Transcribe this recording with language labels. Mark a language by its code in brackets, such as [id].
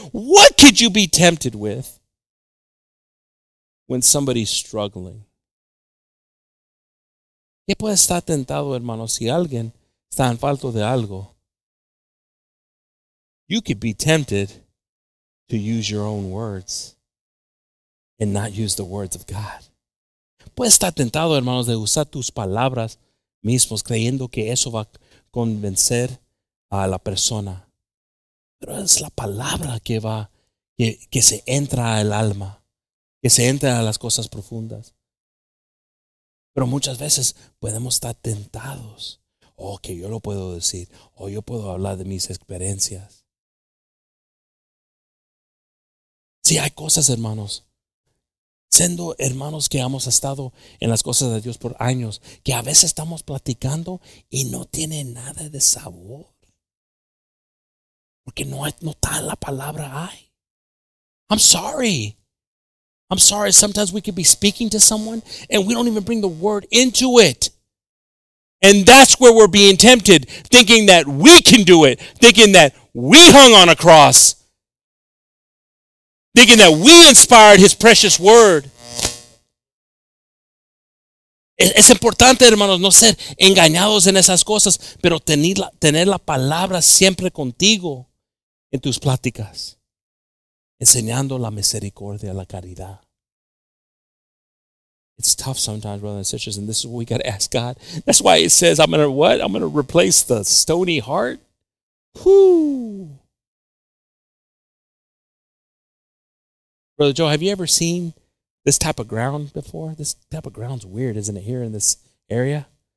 [en] What could you be tempted with when somebody's struggling? [es] ¿Qué puede estar tentado, hermano, si alguien está en falta de algo? [en] You could be tempted to use your own words and not use the words of God. [es] Puede estar tentado, hermanos, de usar tus palabras mismos, creyendo que eso va a convencer a la persona. Pero es la palabra que va, que se entra al alma, que se entra a las cosas profundas. Pero muchas veces podemos estar tentados. Oh, que yo lo puedo decir. Oh, yo puedo hablar de mis experiencias. Sí, hay cosas, hermanos, siendo hermanos que hemos estado en las cosas de Dios por años, que a veces estamos platicando y no tiene nada de sabor. Porque no hay, no está la palabra ahí. [en] I'm sorry. Sometimes we could be speaking to someone and we don't even bring the word into it. And that's where we're being tempted, thinking that we can do it, thinking that we hung on a cross. Thinking that we inspired His precious word. [es] Es importante, hermanos, no ser engañados en esas cosas, pero tener la palabra siempre contigo en tus pláticas, enseñando la misericordia, la caridad. [en] It's tough sometimes, brothers and sisters, and this is what we got to ask God. That's why it says, I'm going to replace the stony heart. Whoo! Brother Joe, have you ever seen this type of ground before? This type of ground's weird, isn't it, here in this area?